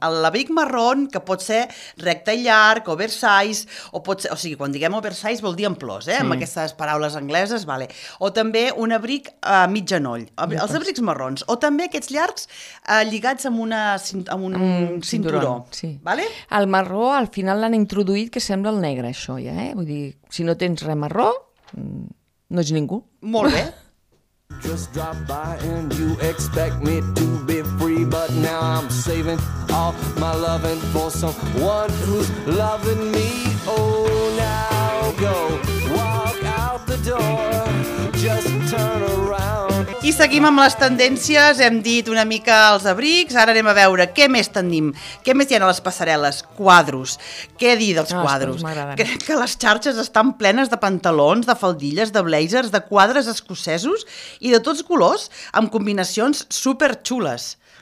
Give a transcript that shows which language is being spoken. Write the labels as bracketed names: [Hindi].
[Catalan] L'abric marró que pot ser recte i llarg, oversize, o sigui, quan diguem oversize vol dir amplós, eh? Sí. Amb aquestes paraules angleses, vale. O també un abric a mig genoll, els abrics marrons, o també aquests llargs lligats amb un cinturó. Sí. Vale? El marró al final l'han introduït que sembla el negre, això ja, eh? Vull dir, si no tens res marró, no ets ningú. Molt bé. [English] Just drop by and you expect me to be free, but now I'm saving all my loving for someone who's loving me. Oh, now go walk out the door, just turn around. [Catalan] I seguim amb les tendències, hem dit una mica els abrics, ara anem a veure què més tenim, què més hi ha a les passarel·les, quadros, què dir dels quadros, que les xarxes estan plenes de pantalons, de faldilles, de blazers, de quadres escocesos i de tots colors, amb combinacions superxules.